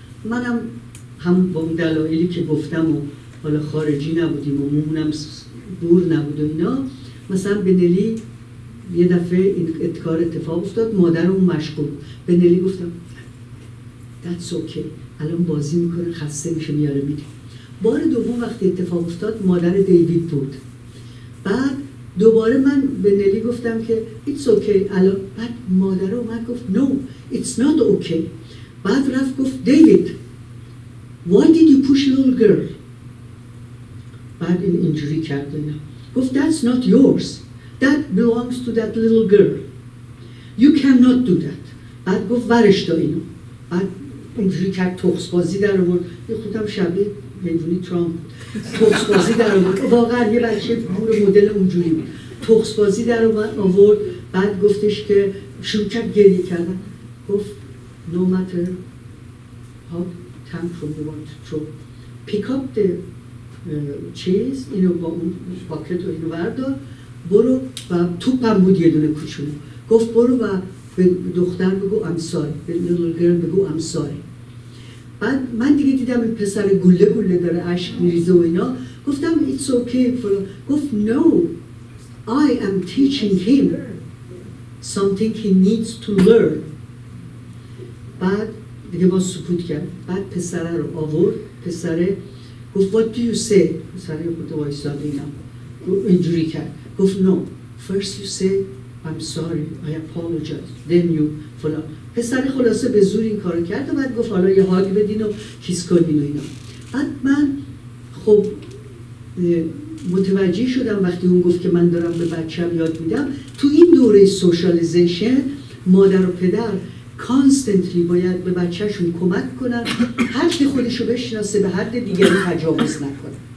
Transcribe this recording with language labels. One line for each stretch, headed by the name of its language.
Persian: منم هم با اون دلایلی که گفتم و حالا خارجی نبودیم و مومونم دور نبود و اینا، مثلا به نلی یه دفعه این کار اتفاق افتاد، مادرم مشغول، به نلی گفتم
English: That's okay،
Persian: الان بازی میکنه خسته میشه میاره میده. بار دوم وقتی اتفاق افتاد مادر دیوید بود، بعد دوباره من به نلی گفتم که
English: It's okay
Persian: الان، بعد مادر اومد گفت
English: No, it's not okay.
Persian: بعد رفت گفت
English: David Why did you push a little girl؟
Persian: بعد این اینجوری کرد و اینا. گفت
English: that's not yours, that belongs to that little girl, you cannot do that.
Persian: بعد گفت ورش دار اینو. بعد اینجوری کرد تخص بازی در آورد. یه خودم شبیه هندونی ترامپ بود. تخص بازی در آورد. واقعا یه بچه بور مدل اونجوری بود. تخص بازی در آورد. بعد گفتش که شروع کرد گریه کردن. گفت
English: no matter how tantrum you want to throw, pick up the
Persian: چیز اینو با اون باکت رو اینو بردار. برو و توپ هم بود یه دونه کوچولو. گفت برو و به دختر بگو
English: I'm sorry.
Persian: به
English: little girl
Persian: بگو
English: I'm sorry.
Persian: بعد من دیگه دیدم این پسر گله گله داره عشق میریزه و اینا. گفتم
English: it's okay for...
Persian: گفت
English: no, I am teaching him something he needs to learn.
Persian: بعد دیگه ما سکوت کرد. بعد پسره رو آورد. پسره گفت
English: what do you say؟
Persian: پسره رو بوده وایستاد اینا. اینجوری کرد. گفت
English: no, first you say I'm sorry, I apologize, then you,
Persian: فلان. پسره خلاصه به زور این کار رو کرد و بعد گفت حالا یه حالی بدین و کیس کنین و اینا. بعد من خب متوجه شدم وقتی اون گفت که من دارم به بچه‌م یاد میدم. تو این دوره سوشالیزیشن مادر و پدر کانستنتلی باید به بچه‌شون کمک کنن حد خودشو بشناسه، به حد دیگری تجاوز نکنه.